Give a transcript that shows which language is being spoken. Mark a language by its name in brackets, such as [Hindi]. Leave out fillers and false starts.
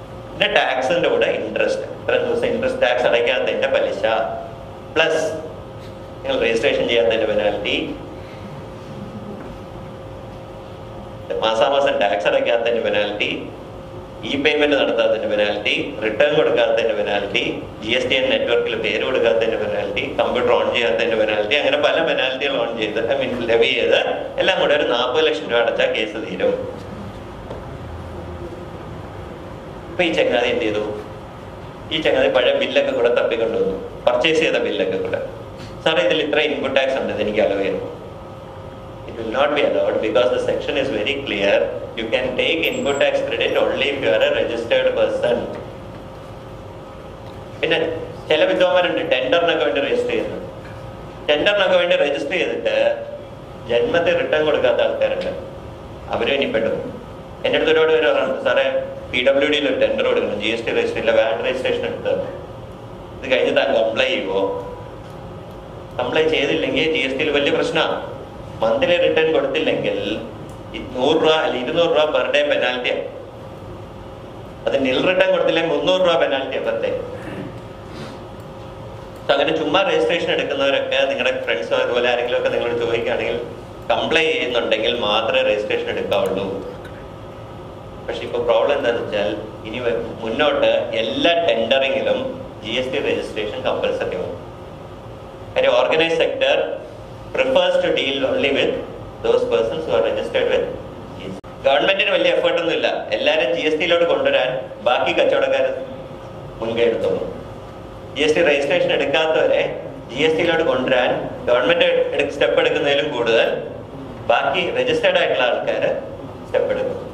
[Malayalam] പിന്നെ ടാക്സിന്റെ കൂടെ ഇൻട്രസ്റ്റ്, ഇത്ര ദിവസം ഇൻട്രസ്റ്റ് ടാക്സ് അടയ്ക്കാത്തതിന്റെ പലിശ, പ്ലസ് നിങ്ങൾ രജിസ്ട്രേഷൻ ചെയ്യാത്തതിന്റെ പെനാൽറ്റി, മാസാമാസം tax അടയ്ക്കാത്തതിന്റെ penalty, E payment നടത്താത്തതിന്റെ penalty, return കൊടുക്കാത്തതിന്റെ penalty, G S T N നെറ്റ്വർക്കിൽ പേര് കൊടുക്കാത്തതിന്റെ പെനാൽറ്റി, കമ്പ്യൂട്ടർ ഓൺ ചെയ്യാത്തതിന്റെ പെനാൽറ്റി, അങ്ങനെ പല പെനാൽറ്റികൾ ഓൺ ചെയ്ത് ഐ മീൻ ലെവി ചെയ്ത് എല്ലാം കൂടെ ഒരു 40 ലക്ഷം രൂപ അടച്ചാൽ കേസ് തീരും. അപ്പൊ ഈ ചങ്ങാതി എന്ത് ചെയ്തു? ഈ ചങ്ങാതി പഴയ ബില്ലൊക്കെ കൂടെ തപ്പിക്കൊണ്ട് വന്നു, പർച്ചേസ് ചെയ്ത ബില്ലൊക്കെ കൂടെ. സാർ ഇതിൽ ഇത്ര ഇൻപുട്ട് ടാക്സ് ഉണ്ട്, ഇത് എനിക്ക് അലവായിരുന്നു. [English] It will not be allowed because the section is very clear. You can take input tax credit only if you are a registered person. [Malayalam] പിന്നെ ചില വിദ്വാൻമാരുണ്ട് ടെൻഡറിനൊക്കെ വേണ്ടി രജിസ്റ്റർ ചെയ്യുന്നു, ടെൻഡറിനൊക്കെ വേണ്ടി രജിസ്റ്റർ ചെയ്തിട്ട് ജന്മത്തിൽ റിട്ടേൺ കൊടുക്കാത്ത ആൾക്കാരുണ്ട്, അവരും ഇനിപ്പെട്ടു. എന്റെ അടുത്ത് ഒരുപാട് പേര് പറഞ്ഞു, സാറേ പി ഡബ്ല്യു ഡിയിൽ ഒരു ടെൻഡർ കൊടുക്കണം, ജി എസ് ടി രജിസ്റ്റർ ഇല്ല, വാറ്റ് രജിസ്ട്രേഷൻ എടുത്ത് ഇത് കഴിഞ്ഞ് താൻ കംപ്ലൈ ചെയ്യുമോ? കംപ്ലൈ ചെയ്തില്ലെങ്കിൽ ജി എസ് ടിയിൽ വലിയ പ്രശ്നമാണ്. മന്ത്ലി റിട്ടേൺ കൊടുത്തില്ലെങ്കിൽ 100 രൂപ അല്ലെങ്കിൽ 200 രൂപ പെർ ഡേ പെനാൽറ്റിയാ. അത് നിൽ റിട്ടേൺ കൊടുത്തില്ലെങ്കിൽ 300 രൂപ പെനാൽറ്റിയാ പെർ ഡേ. അങ്ങനെ ചുമ്മാ രജിസ്ട്രേഷൻ എടുക്കുന്നവരൊക്കെ നിങ്ങളുടെ ഫ്രണ്ട്സോ അതുപോലെ ആരെങ്കിലും ഒക്കെ നിങ്ങളോട് ചോദിക്കുകയാണെങ്കിൽ കംപ്ലൈൻ ചെയ്യുന്നുണ്ടെങ്കിൽ മാത്രമേ രജിസ്ട്രേഷൻ എടുക്കാവുള്ളൂ. പക്ഷെ ഇപ്പൊ പ്രോബ്ലം എന്താണെന്ന് വെച്ചാൽ ഇനി മുന്നോട്ട് എല്ലാ ടെൻഡറിങ്ങിലും G S T registration compulsory ആവും. [English] കാര്യം organise sector prefers to deal only with those persons who are registered with GST. [Malayalam] ഗവൺമെന്റിന് വലിയ എഫേർട്ട് ഒന്നും ഇല്ല, എല്ലാവരും ജി എസ് ടിയിലോട്ട് കൊണ്ടുവരാൻ ബാക്കി കച്ചവടക്കാരെ മുൻകൈ എടുത്തോളും. G S T registration എടുക്കാത്തവരെ G S ടിയിലോട്ട് കൊണ്ടുവരാൻ ഗവൺമെന്റ് സ്റ്റെപ്പ് എടുക്കുന്നതിലും കൂടുതൽ ബാക്കി രജിസ്റ്റേർഡ് ആയിട്ടുള്ള ആൾക്കാര് സ്റ്റെപ്പ് എടുക്കും.